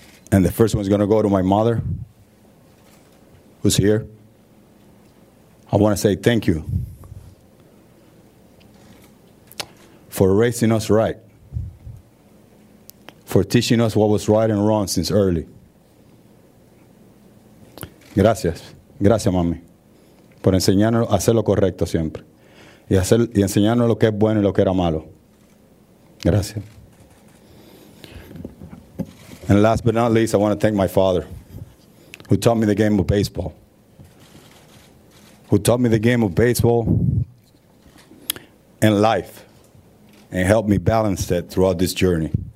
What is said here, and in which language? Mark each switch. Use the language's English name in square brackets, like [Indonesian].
[English] And the first one's going to go to my mother, who's here. I want to say thank you for raising us right, for teaching us what was right and wrong since early. [Spanish] Gracias. Gracias, mami, por enseñarnos a hacer lo correcto siempre y enseñarnos lo que es bueno y lo que era malo. Gracias. [English] And last but not least, I want to thank my father, who taught me the game of baseball. Who taught me the game of baseball and life and helped me balance that throughout this journey.